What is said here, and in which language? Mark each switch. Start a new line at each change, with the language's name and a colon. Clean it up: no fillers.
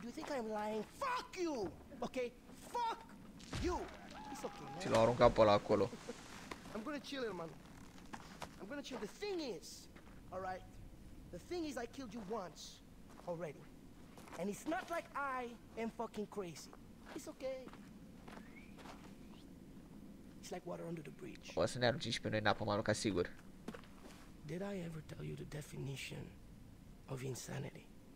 English: Do you think I'm lying? Fuck you! Okay? Fuck you! It's okay, man.
Romanian: Ti l'ho aruncat pe ăla acolo.
English: I'm gonna chill, little man. I'm gonna chill. The thing is, all right? The thing is, I killed you once already. And it's not like I am fucking crazy. It's okay. It's like water under the bridge.
Romanian: O să ne aruncim și pe noi în apă, Maruca, sigur.
English: Did I ever tell you the definition of insanity?